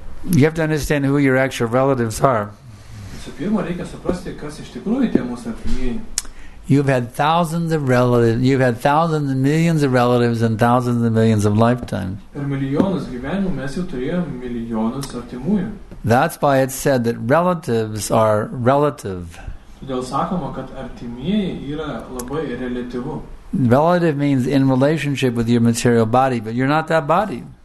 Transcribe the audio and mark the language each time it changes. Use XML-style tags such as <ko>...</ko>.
<en>You have to understand who your actual relatives are.</en> <lt>Visų pirma, reikia suprasti, kas iš tikrųjų tie mūsų artimieji.</lt> <en>You've had thousands of relatives, you've had thousands and millions of relatives and thousands and millions of lifetimes. That's why it's said that relatives are relative. Relative means in relationship with your material body, but you're not that body.</en>